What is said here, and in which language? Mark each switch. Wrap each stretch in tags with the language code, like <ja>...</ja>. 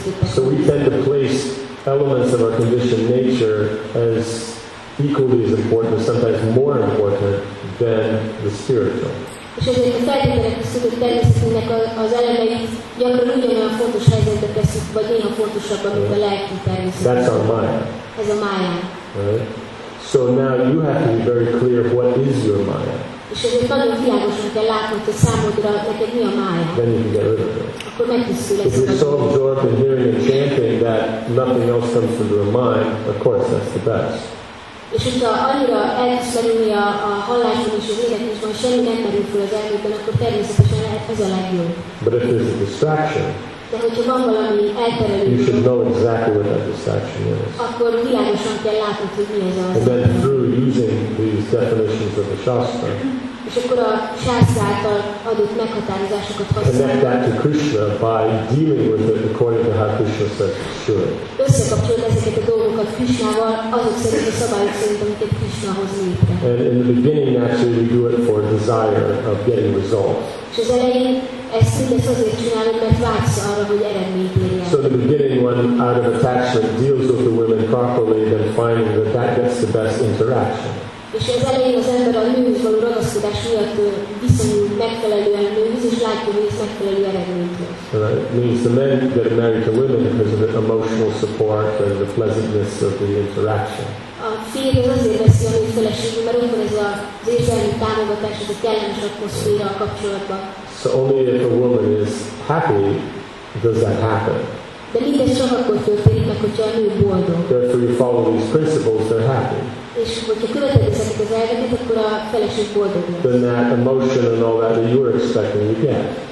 <en>So we tend to place elements of our conditioned nature as equally as important, or sometimes more important than the spiritual.</en> <hu>És ezért a feltételek az elemeit gyakran ugyanolyan fontos helyzetbe teszik, vagy néha fontosabban, mint a lelki természet.</hu> <en>That's our mind.</en> <hu>Ez a mind.</hu> <en>Right? So now you have to be very clear of what is your mind.</en> <hu>És ezért nagyon világosan kell látnod, hogy számodra neked mi a mind.</hu> <en>Then you can get rid of it.</en> <hu>Akkor megtisztul</hu> <en>ezt. If you're so absorbed in hearing and chanting that nothing else comes into your mind, of course that's the best.</en> <hu>És hogyha annyira elkezdeni a halláson és az életésben, semmi nem merül föl az elmében, akkor természetesen ez a legjobb.</hu> <en>But if there's a distraction,</en> <hu>de hogyha van valami elterelő,</hu> <en>you should know exactly what that distraction is.</en> <hu>Akkor világosan kell látnod, hogy mi az az.</hu> <en>And then through using these definitions of the Shastra,</en> <hu>és akkor a Shastra által adott meghatározásokat használ.</hu> <en>Connect that to Krishna by dealing with it according to how Krishna says it should.</en> <hu>Összekapcsolod ezeket a dolgokat Krishnával, azok szerint a szabályok szerint, amiket Krishna hoz létre.</hu> <en>And in the beginning, actually, we do it for desire of getting results.</en> <hu>És az elején ezt mindezt azért csinálod, mert vágysz arra, hogy eredményt érjen.</hu> <en>So the beginning one, out of attachment, deals with the women properly, then finding that that gets the best interaction.</en> <hu>És az elején az ember a nőhöz való ragaszkodás miatt viszonyul megfelelően nőhöz, és látja, hogy ez megfelelő eredményt hoz.</hu> <en>It means the men get married to women because of the emotional support and the pleasantness of the interaction.</en> <hu>A férj az azért veszi a nő feleségül, mert ott van ez az érzelmi támogatás, ez a kellemes atmoszféra a kapcsolatban.</hu> <en>So only if a woman is happy does that happen.</en> <hu>De mindez csak akkor történik meg, hogyha a nő boldog.</hu> <en>Therefore you follow these principles, they're happy.</en> <hu>És hogyha követed ezeket az elveket, akkor a feleség boldog lesz.</hu> <en>Then that emotion and all that you were expecting, you get.</en>